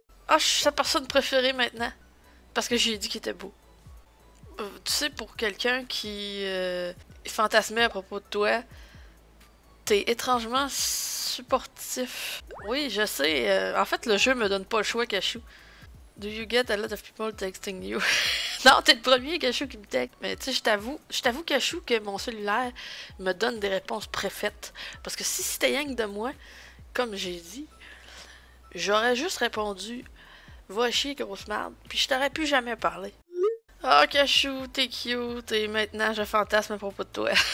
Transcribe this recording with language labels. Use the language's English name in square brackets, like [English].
[French] Oh, je suis sa personne préférée maintenant. Parce que j'ai dit qu'il était beau. Tu sais, pour quelqu'un qui fantasmait à propos de toi, t'es étrangement supportif. Oui, je sais. En fait, le jeu me donne pas le choix, Cachou. [English] Do you get a lot of people texting you? [French] Non, t'es le premier, Cachou, qui me texte. Mais tu sais, je t'avoue, Cachou, que mon cellulaire me donne des réponses préfaites. Parce que si c'était rien que de moi, comme j'ai dit, j'aurais juste répondu « Va chier, grosse merde », puis je t'aurais plus jamais parlé. Oh, Cachou, t'es cute, et maintenant je fantasme à propos de toi.